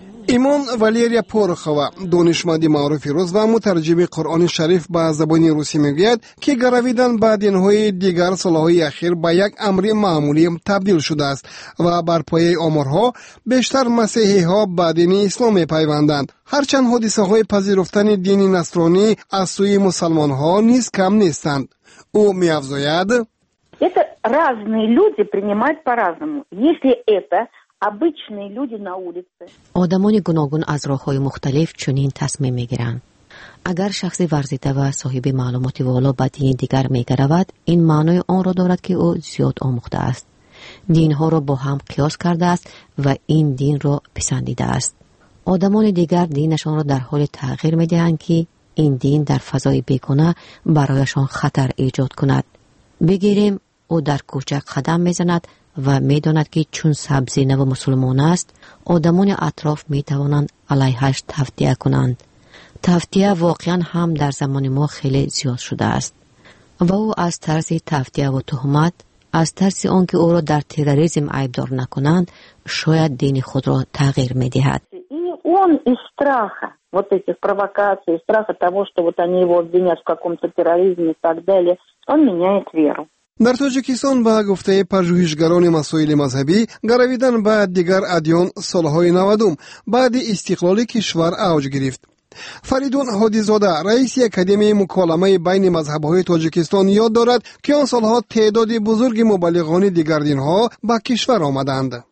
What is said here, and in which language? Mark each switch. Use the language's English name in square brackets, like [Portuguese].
[Persian] ایمان والیریا پورخوا، دانشمند معروف روس و مترجم قرآن شریف به زبان روسی، میگوید که گرویدن به دینهای دیگر سالهای اخیر به یک امر معمولی تبدیل شده است و بر پایه آمارها بیشتر مسیحی ها به دین اسلام پیوندند، هرچند حادثه های پذیرفتن دین نصرانی از سوی مسلمان ها نیز کم نیستند. او می افزاید: [Russian] разные люди принимают по-разному. Если это обычные люди на улице. [Tajik] Одамони гуногун аз роҳҳои мухталиф чунин тасмим мегиранд. Агар шахси варзида ва соҳиби маълумоти воло ба дини дигар мегаравад, ин маънои онро дорад ки ӯ зиёд омӯхтааст. Динҳоро бо ҳам қиёс кардааст ва ин динро писандидааст. Одамони дигар динашонро дар ҳоли тағйир медиҳанд ки ин дин дар фазои бегуна барояшон хатар эҷод кунад. Бигирем, ӯ дар кӯча қадам мезанад ва медонад ки чун сабзи наву мусулмон аст, одамони атроф метавонанд алайҳаш тавтия кунанд. Тавтия воқеан ҳам дар замони мо хеле зиёд шудааст. Ва ӯ аз тарзи тавтия ва туҳмат, аз тарси он ки ӯро дар терроризм айбдор накунанд, шояд дини худро тағйир медиҳад. [Russian] Он из страха вот этих провокаций, из страха того, что вот они его обвинят в каком-то терроризме и так далее, он меняет веру. [Tajik] Дар Тоҷикистон ба гуфтаи пажӯҳишгарони масоили мазҳабӣ, гаравидан ба дигар адён солҳои 90-ум баъди истиқлоли кишвар авҷ гирифт. Фаридун Ҳодизода, раиси Академияи муколамаи байни мазҳабҳои Тоҷикистон, ёд дорад, ки он солҳо теъдоди бузурги мубаллиғони дигар динҳо ба кишвар омаданд.